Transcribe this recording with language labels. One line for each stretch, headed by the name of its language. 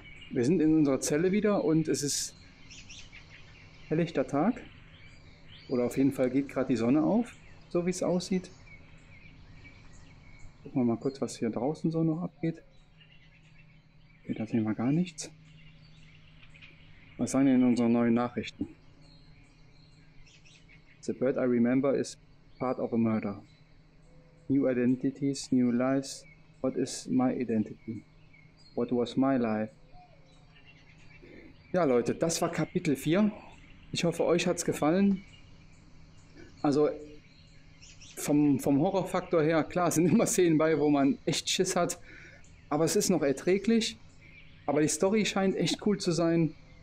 German: Wir sind in unserer Zelle wieder und es ist helllichter Tag. Oder auf jeden Fall geht gerade die Sonne auf, so wie es aussieht. Gucken wir mal kurz, was hier draußen so noch abgeht. Okay, da sehen wir gar nichts. Was sagen denn unsere neuen Nachrichten?
English: The bird I remember is part of a murder. New identities, new lives. What is my identity? What was my life?
German: Ja, Leute, das war Kapitel 4. Ich hoffe, euch hat's gefallen. Also, vom Horrorfaktor her, klar, sind immer Szenen bei, wo man echt Schiss hat. Aber es ist noch erträglich. Aber die Story scheint echt cool zu sein.